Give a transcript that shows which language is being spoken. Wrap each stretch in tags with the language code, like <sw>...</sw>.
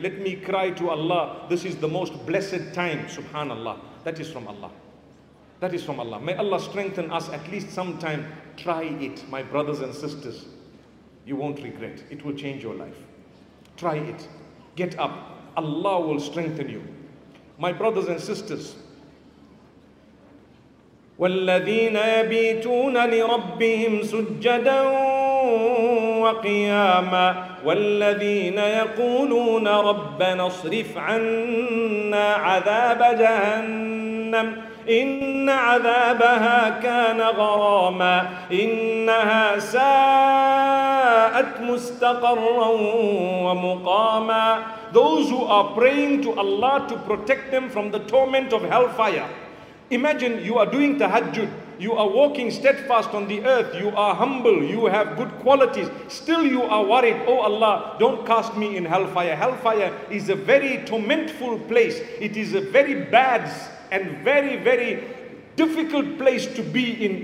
<en>Let me cry to Allah. This is the most blessed time. Subhanallah. That is from Allah. That is from Allah. May Allah strengthen us at least sometime. Try it, my brothers and sisters. You won't regret. It will change your life. Try it. Get up. Allah will strengthen you. My brothers and sisters.</en> <ar>وَالَّذِينَ يَبِيتُونَ لِرَبِّهِمْ سُجَّدًا وَقِيَامًا وَالَّذِينَ يَقُولُونَ رَبَّنَا اصْرِفْ عَنَّا عَذَابَ جَهَنَّمْ إن عذابها كان غراما إنها ساءت مستقرا ومقاما.</ar> <en>Those who are praying to Allah to protect them from the torment of hellfire. Imagine you are doing tahajjud. You are walking steadfast on the earth. You are humble. You have good qualities. Still you are worried. Oh Allah, don't cast me in hellfire. Hellfire is a very tormentful place. It is a very bad and very, very difficult place to be in.</en>